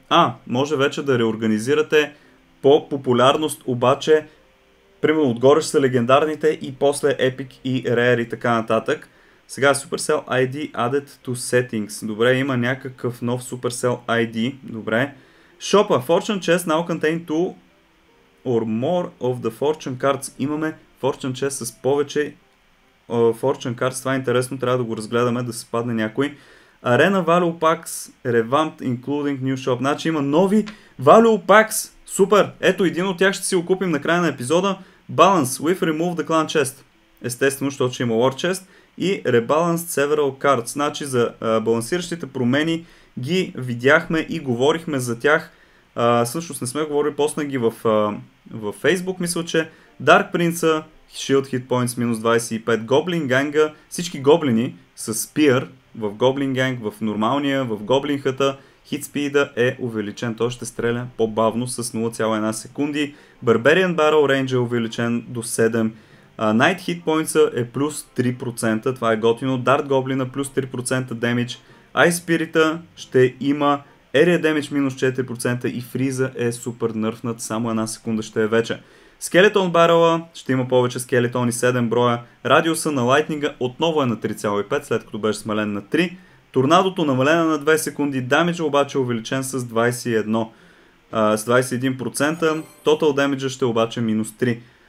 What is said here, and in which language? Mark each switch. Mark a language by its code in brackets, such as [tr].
[bg] А, може вече да реорганизирате по популярност, обаче примерно отгоре са легендарните и после Epic и Rare и така нататък. [en] Сега Supercell ID added to settings. [bg] Добре, има някакъв нов Supercell ID. Добре. Шопа, [en] Fortune Chest now contain 2 or more of the Fortune Cards. [bg] Имаме Fortune Chest с повече Fortune Cards. Това е интересно, трябва да го разгледаме, да се падне някой. [en] Arena Value Packs revamped including new shop. [bg] Значи има нови Value Packs. Супер! Ето един от тях ще си окупим на края на епизода. [en] Balance. We've removed the clan chest. [bg] Естествено, защото ще има war chest. [en] И rebalanced several cards. [bg] Значи за балансиращите промени ги видяхме и говорихме за тях. Всъщност не сме говорили, после ги в Facebook. Мисля, че Dark Prince, Shield Hit Points минус 25, Goblin Gang, всички гоблини с Spear в Goblin Gang, в нормалния, в Goblin Hut-а, Hit Speed-а е увеличен, той ще стреля по-бавно с 0,1 секунди. Barbarian Barrel Range е увеличен до 7. Knight Hit Points е плюс 3%, това е готино. Dart Goblin-а плюс 3% damage. Ice Spirit-а ще има Area Damage минус 4% и Freeze-а е супер нърфнат, само една секунда ще е вече. Skeleton Barrel-а ще има повече скелетони, 7 броя. Радиуса на Lightning-а отново е на 3,5, след като беше смален на 3. Торнадото намалена на 2 секунди, дамиджа обаче е увеличен с 21%, тотал дамиджа ще обаче минус 3.